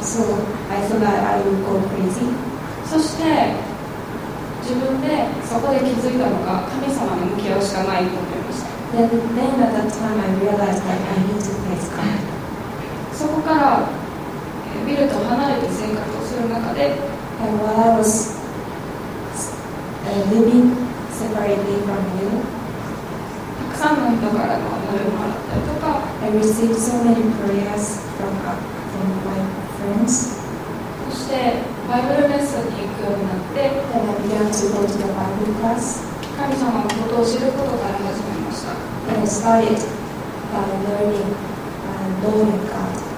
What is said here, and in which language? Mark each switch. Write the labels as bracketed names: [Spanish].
[English] So I thought that I would go crazy. [Japanese] そして、自分でそこで気づいたのが、神様に向き合うしかないと思いました。 [English] Then at that time I realized that I need to face God. [Japanese] そこからビルと離れて生活をする中で、 [English] And while I was living separately from you, [Japanese] たくさんの人からのお祈りもらったりとか、 [English] I received so many prayers from my friends. [Japanese] そしてバイブルレッスンに行くようになって、 [English] Then I began to go to the Bible class. [Japanese] 神様のことを知ることから始めました。 [English] And I started by learning knowing God.